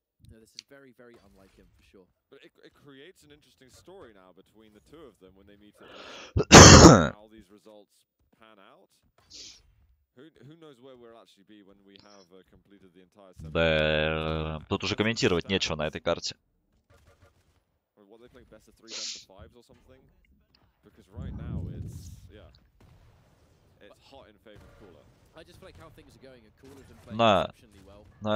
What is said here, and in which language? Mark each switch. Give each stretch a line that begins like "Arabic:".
English: Now, this is very, very unlike him for sure. But it creates an interesting story now between the two of them when they meet. How these results pan out. Who knows where we'll actually be when we have completed the entire set.
Russian: Да, тут уже комментировать нечего на этой карте.
English: Or what they play best of 3, best of 5 or something? Because right now it's, yeah. It's hot in favor of Cooler. I just feel like how things are going, and Cooler's been playing exceptionally well.